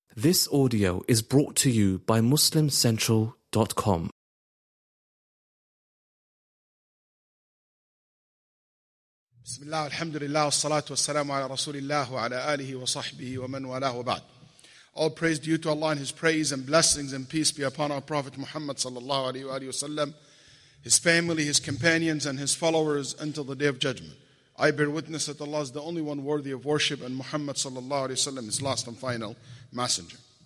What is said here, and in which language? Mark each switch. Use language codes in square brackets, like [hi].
[en] This audio is brought to you by MuslimCentral.com. [ar] بسم الله الحمد لله والصلاة والسلام على رسول الله وعلى آله وصحبه ومن والاه وبعد. [en] All praise due to Allah and His praise and blessings and peace be upon our Prophet Muhammad sallallahu alaihi wasallam, his family, his companions, and his followers until the day of judgment. I bear witness that Allah is the only one worthy of worship, and Muhammad sallallahu alaihi wasallam is last and final messenger.